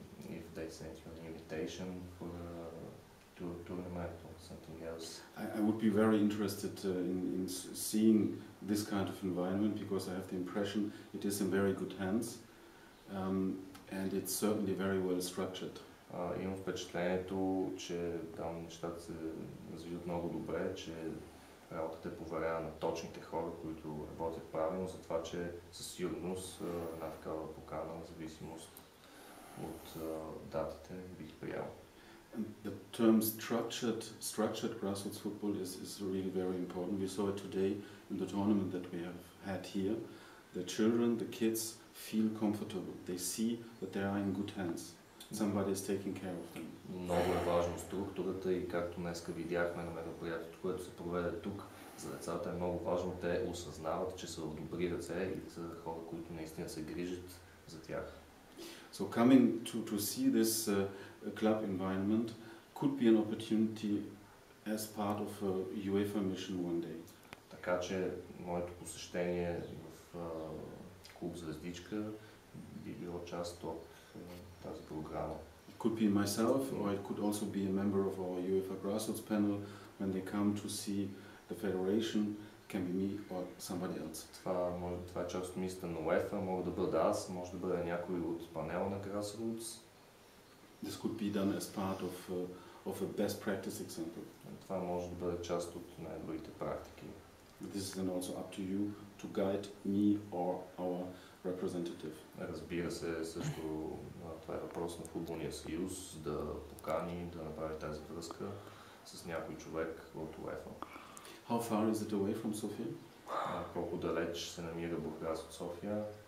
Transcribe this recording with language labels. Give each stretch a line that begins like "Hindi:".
English: If they sent you an invitation for a tournament or something else. I would be very interested in seeing this kind of environment, because I have the impression it is in very good hands and it's certainly very well structured.
Bulgarian: Имам впечатлението, че там нещата се развиват много добре, че работата е поверена на точните хора, които работят правилно, за това, че със сигурност една такава покана, в зависимост от датите, бих приял.
English: The term structured grassroots football is really very important. We saw it today in the tournament that we have had here. The children, the kids feel comfortable. They see that they are in good hands. Somebody is taking care of them.
Bulgarian: Много е важно структурата и както днеска видяхме на мероприятието, което се проведе тук за децата, е много важно. Те осъзнават, че са в добри ръце и са хора, които наистина се грижат за тях.
English: So coming to see this club environment could be an opportunity as part of a UEFA mission one day.
Bulgarian: Така че моето посещение в клуб Звездичка би било част от тази програма.
English: It could be myself or it could also be a member of our UEFA grassroots panel when they come to see the federation. Can be me or somebody else.
Bulgarian: Това е част от мисията на УЕФА. Мога да бъда аз, може да бъде някой от панела на grassroots.
English: This could be done as part of a best practice example.
Bulgarian: Това може да бъде част от най-добрите практики.
English: This is then also up to you to guide me or our representative.
Bulgarian: Разбира се, също това е въпрос на футболния съюз да покани, да направи тази връзка с някой човек от УЕФА.
English: How far is it away from Sofia?
Bulgarian: Колко далеч се намира Бургас от София?